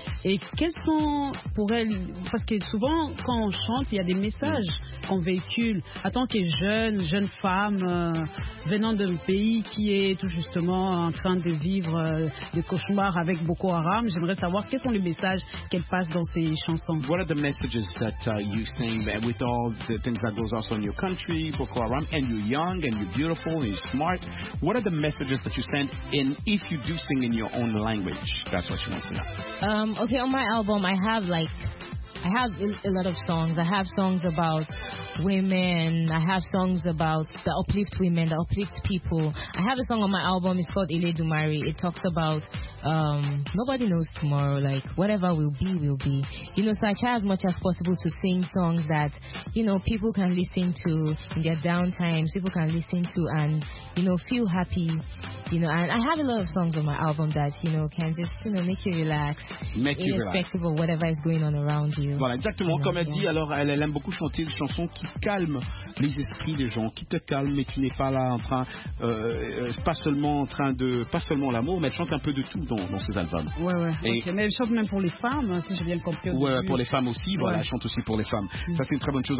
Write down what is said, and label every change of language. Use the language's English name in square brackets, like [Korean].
[French] Et quels sont pour elle... Parce que souvent, quand on chante, il y a des messages qu'on véhicule. En tant que jeune femme, venant d'un pays qui est tout justement en train de vivre des cauchemars avec Boko Haram, j'aimerais savoir quels sont les messages qu'elle passe dans ses chansons. [English] What are the messages that you sing with all the things that goes on in your country, Boko Haram, and you're young, and you're beautiful, and you're smart? What are the messages just that you send in if you do sing in your own language? That's what she wants to know. Okay, on my album I have a lot of songs. I have songs about women. I have songs about that uplift women, that uplift people. I have a song on my album. It's called Ile Dumari. It talks about nobody knows tomorrow. Like, whatever will be, will be. You know, so I try as much as possible to sing songs that, you know, people can listen to in their downtimes. People can listen to and, you know, feel happy. You know, and I have a lot of songs on my album that, you know, can just, you know, make you relax. Make you relax. Irrespective of whatever is going on around you. [French] Voilà, exactement. Comme elle dit, alors, elle aime beaucoup chanter des chansons qui calment les esprits des gens, qui te calment, mais tu n'es pas là en train, pas seulement l'amour, mais elle chante un peu de tout dans ses albums. Ouais, ouais. Et okay. Mais elle chante même pour les femmes, si j'ai bien compris. Ouais, pour les femmes aussi, voilà, elle chante aussi pour les femmes. Mm-hmm. Ça, c'est une très bonne chose.